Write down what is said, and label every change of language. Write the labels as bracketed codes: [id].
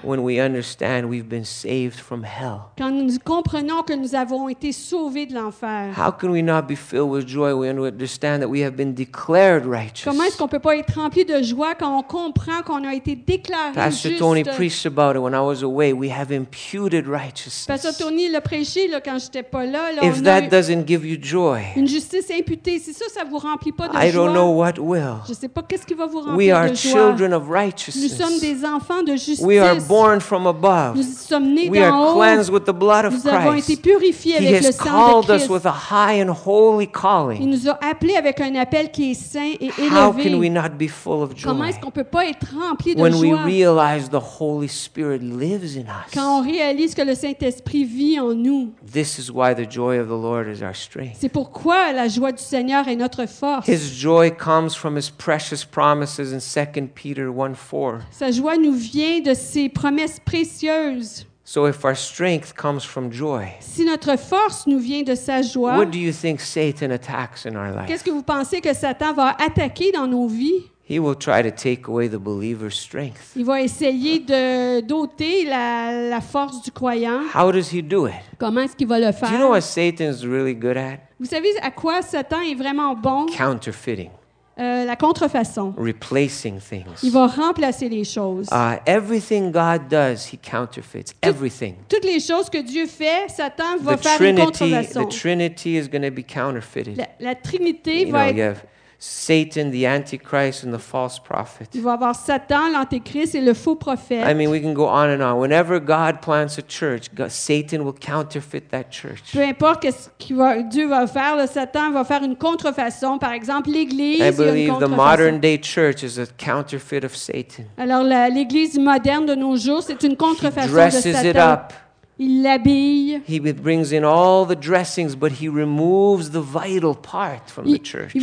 [en] When we understand we've been saved from hell. [fr] Quand nous comprenons que nous avons été sauvés de l'enfer. [en] How can we not be filled with joy when we understand that we have been declared righteous? [fr] Comment est-ce qu'on peut pas être rempli de joie quand on comprend qu'on a été déclaré [en] Pastor [fr] juste? [en] Pastor Tony preached about it when I was away. We have imputed righteousness. [fr] Pastor Tony l'a prêché là quand j'étais pas là. [en] If that doesn't give you joy, [fr] une justice imputée, si ça, ça vous remplit pas de joie, [en] I don't know what will. [fr] Je sais pas qu'est-ce qui va vous remplir de joie. [en] We are children of righteousness. [fr] Nous sommes des enfants de justice. [en] We are born from above. [fr] Nous sommes nés d'en haut. [en] We are cleansed with the blood of Christ. [fr] Nous avons été purifiés avec le sang de Christ. [en] He has called us with a high and holy calling. [fr] Il nous a appelés avec un appel qui est saint et élevé. [en] How can we not be full of joy? [fr] Comment est-ce qu'on peut pas être rempli de joie? [en] When we realize the Holy Spirit lives in us. [fr] Quand on réalise que le Saint-Esprit vit en nous. [en] This is why the joy of the Lord is our strength. [fr] C'est pourquoi la joie du Seigneur est notre force. [en] His joy comes from his precious promises in 2 Peter 1:4. [fr] Sa joie nous vient de ses promesses précieuses. [en] So if our strength comes from joy, [fr] si notre force nous vient de sa joie, [en] what do you think Satan attacks in our life? [fr] Qu'est-ce que vous pensez que Satan va attaquer dans nos vies? [en] He will try to take away the believer's strength. [fr] Il va essayer de doter la force du croyant. [en] How does he do it? [fr] Comment est-ce qu'il va le faire? [en] Do you know what Satan is really good at? [fr] Vous savez à quoi Satan est vraiment bon? [en] Counterfeiting. [fr] La contrefaçon. [en] Replacing things. [fr] Il va remplacer les choses. [en] Everything God does, he counterfeits. Everything. [fr] Toutes les choses que Dieu fait, Satan va [en] the [fr] faire [en] Trinity, [fr] une contrefaçon. [en] The Trinity is going to be counterfeited. [fr] La Trinité [en] you [fr] va [en] know, [fr] être... [en] Satan, the Antichrist, and the false prophet. [fr] Il va avoir Satan, l'Antéchrist et le faux prophète. [en] I mean, we can go on and on. Whenever God plants a church, Satan will counterfeit that church. [fr] Peu importe qu'est-ce que Dieu va faire, le Satan va faire une contrefaçon. Par exemple, l'Église. [en] I believe the modern day church is a counterfeit of Satan. [fr] Alors, l'Église moderne de nos jours, c'est une contrefaçon de Satan. [en] He dresses it up. [fr] Il l'habille. [en] He brings in all the dressings, but he removes the vital part from the church.